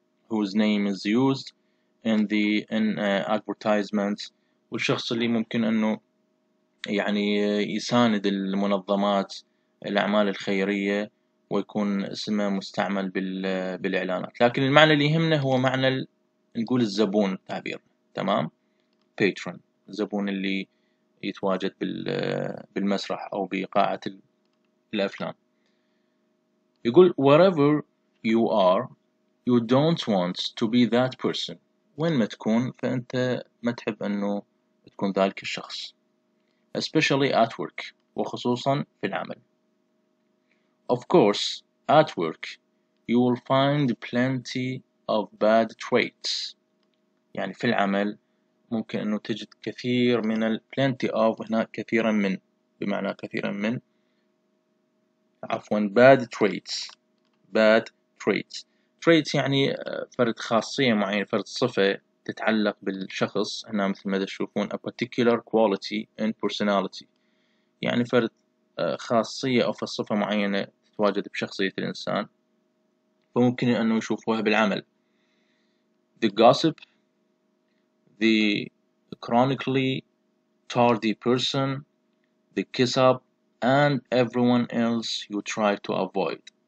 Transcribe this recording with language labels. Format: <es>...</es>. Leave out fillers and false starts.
<en>whose name is used in advertisements،</en> <ar>والشخص اللي ممكن أنه يعني يساند المنظمات الأعمال الخيرية ويكون اسمه مستعمل بالإعلانات. لكن المعنى اللي يهمنا هو معنى نقول الزبون تعبير، تمام؟ patron، الزبون اللي يتواجد بالمسرح أو بقاعة الأفلام. يقول</ar> <en>wherever you are you don't want to be that person.</en> <ar>وين ما تكون فأنت ما تحب أنه تكون ذلك الشخص,</ar> <en>especially at work,</en> <ar>وخصوصا في العمل.</ar> <en>Of course at work you will find plenty of bad traits.</en> <ar>يعني في العمل ممكن أنه تجد كثير من الـ plenty of, هنا كثيرا من بمعنى كثيرا من, عفوا bad traits. bad traits, traits يعني فرد خاصية معينة, فرد صفة تتعلق بالشخص. هنا مثل ما تشوفون</ar> <en>a particular quality and personality,</en> <ar>يعني فرد خاصية أو فرد صفة معينة تتواجد بشخصية الإنسان, فممكن أنه يشوفوها بالعمل.</ar> <en>the gossip, the chronically tardy person, the kiss up, and everyone else you try to avoid.</en>